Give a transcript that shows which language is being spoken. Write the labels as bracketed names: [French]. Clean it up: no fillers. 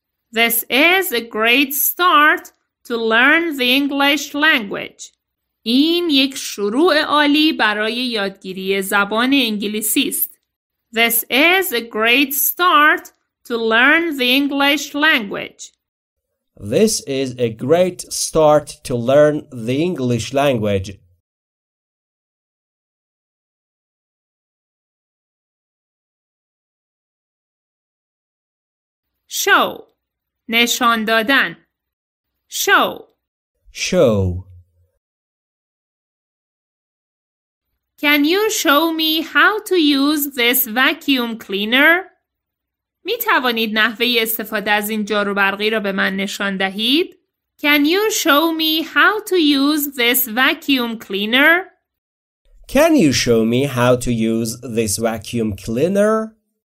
[English] This is a great start to learn the English language. [Persian] این یک شروع عالی برای یادگیری زبان انگلیسی است. [English] This is a great start to learn the English language. This is a great start to learn the English language. Show. [Persian] نشان دادن. [English] Show. Show. Can you show me how to use this vacuum cleaner? [Persian] می توانید نحوه استفاده از این جاروبرقی را به من نشان دهید؟ [English] Can you show me how to use this vacuum cleaner? Can you show me how to use this vacuum cleaner?